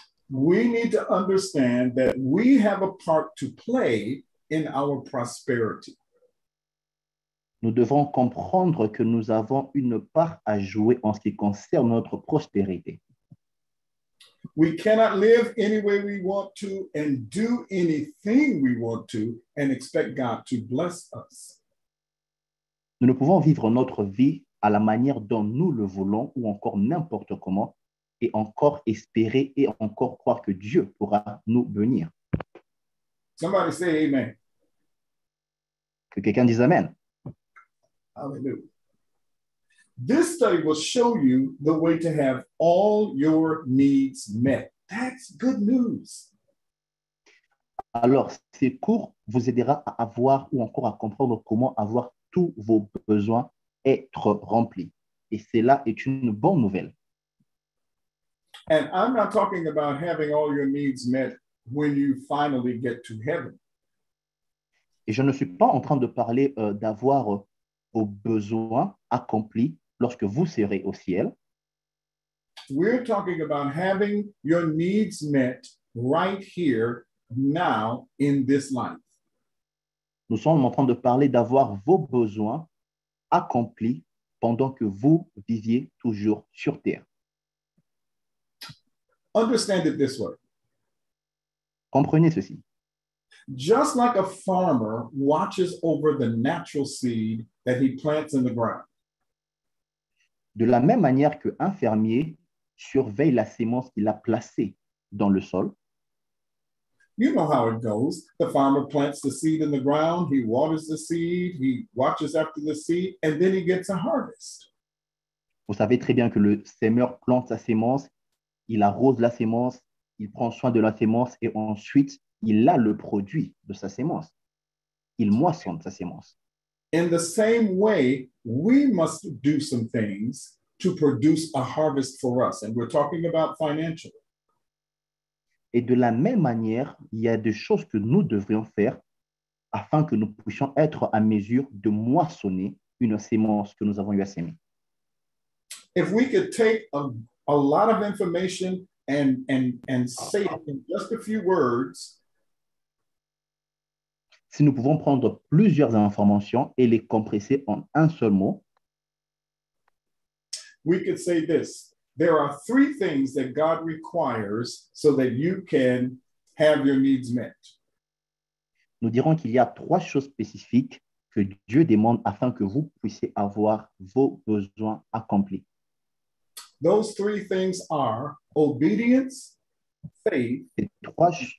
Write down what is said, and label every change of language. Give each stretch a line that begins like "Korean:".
English: We need to understand that we have a part to play in our prosperity.
French: Nous devons comprendre que nous avons une part à jouer en ce qui concerne notre prospérité.
English: We cannot live any way we want to and do anything we want to and expect God to bless us.
French: Nous ne pouvons vivre notre vie à la manière dont nous le voulons ou encore n'importe comment et encore espérer et encore croire que Dieu pourra nous bénir.
English: Somebody say amen.
French: Que quelqu'un dise amen.
English: Hallelujah. This study will show you the way to have all your needs met. That's good news.
French: Alors, ces cours vous aidera à avoir ou encore à comprendre comment avoir tous vos besoins être remplis. Et cela est une bonne nouvelle.
English: And I'm not talking about having all your needs met when you finally get to heaven.
French: Et je ne suis pas en train de parler d'avoir vos besoins accomplis lorsque vous serez au ciel.
English: We're talking about having your needs met right here, now, in this life.
French: Nous sommes en train de parler d'avoir vos besoins accomplis pendant que vous viviez toujours sur terre.
English: Understand it this way.
French: Comprenez ceci.
English: Just like a farmer watches over the natural seed that he plants in the ground.
French: De la même manière qu'un fermier surveille la semence qu'il a placée dans le sol.
English: You know how it goes. The farmer plants the seed in the ground, he waters the seed, he watches after the seed, and then he gets a harvest.
French: Vous savez très bien que le semeur plante sa semence, il arrose la semence, il prend soin de la semence, et ensuite, il a le produit de sa semence. Il moissonne sa semence.
English: In the same way, we must do some things to produce a harvest for us. And we're talking about financial.
French: Et de la même manière, il y a des choses que nous devrions faire afin que nous puissions être à mesure de moissonner une semence que nous avons eu à semer.
English: If we could take a lot of information and say it in just a few words,
French: si nous pouvons prendre plusieurs informations et les compresser en un seul mot,
English: we could say this. There are three things that God requires so that you can have your needs met.
French: Nous dirons qu'il y a trois choses spécifiques que Dieu demande afin que vous puissiez avoir vos besoins accomplis.
English: Those three things are obedience, faith,
French: et trois.